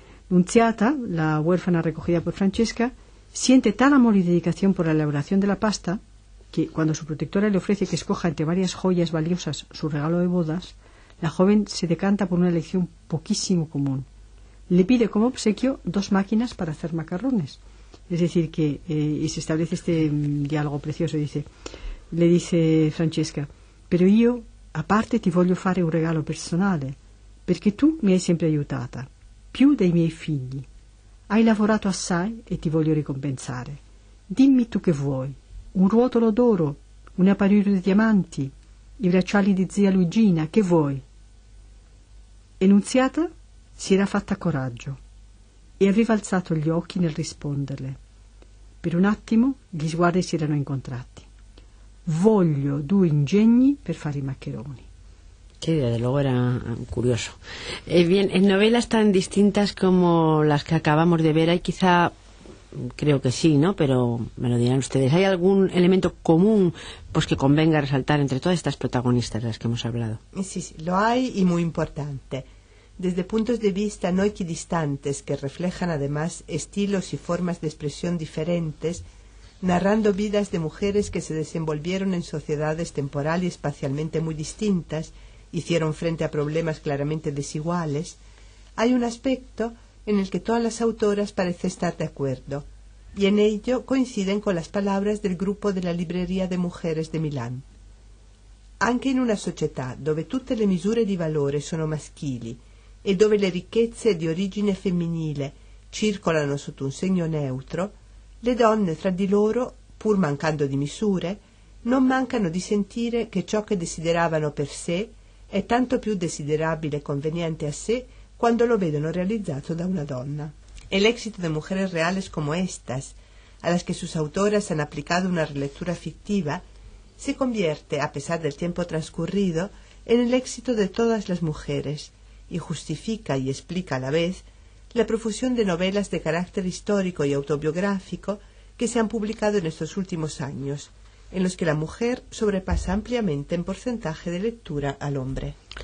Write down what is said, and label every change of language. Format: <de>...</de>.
<es>Nunziata, la huérfana recogida por Francesca, siente tal amor y dedicación por la elaboración de la pasta que cuando su protectora le ofrece que escoja entre varias joyas valiosas su regalo de bodas, la joven se decanta por una elección poquísimo común. Le pide como obsequio dos máquinas para hacer macarrones. Es decir que, y se establece este diálogo precioso, dice, le dice Francesca,</es> <it>pero io a parte ti voglio fare un regalo personale, perché tu mi hai sempre aiutata, più dei miei figli. Hai lavorato assai e ti voglio ricompensare. Dimmi tu che vuoi, un ruotolo d'oro, una parure di diamanti, i bracciali di zia Luigina, che vuoi? Enunziata si era fatta coraggio e aveva alzato gli occhi nel risponderle. Per un attimo gli sguardi si erano incontrati. Voglio due ingegni per fare i maccheroni.</it> <es>Sí, desde luego era curioso. Bien, en novelas tan distintas como las que acabamos de ver, hay quizá, creo que sí, ¿no? Pero me lo dirán ustedes. ¿Hay algún elemento común pues que convenga resaltar entre todas estas protagonistas de las que hemos hablado? Sí, sí, lo hay y muy importante. Desde puntos de vista no equidistantes que reflejan además estilos y formas de expresión diferentes, narrando vidas de mujeres que se desenvolvieron en sociedades temporal y espacialmente muy distintas, hicieron frente a problemas claramente desiguales, hay un aspecto en el que todas las autoras parecen estar de acuerdo, y en ello coinciden con las palabras del grupo de la Librería de Mujeres de Milán.</es> <it>Anche in una società dove tutte le misure di valore sono maschili e dove le ricchezze di origine femminile circolano sotto un segno neutro, le donne tra di loro, pur mancando di misure, non mancano di sentire che ciò che desideravano per sé è tanto più desiderabile e conveniente a sé quando lo vedono realizzato da una donna.</it> <es>El éxito de mujeres reales como estas, a las que sus autoras han aplicado una relectura fictiva, se convierte, a pesar del tiempo transcurrido, en el éxito de todas las mujeres, y justifica y explica a la vez la profusión de novelas de carácter histórico y autobiográfico que se han publicado en estos últimos años, en los que la mujer sobrepasa ampliamente en porcentaje de lectura al hombre.</es>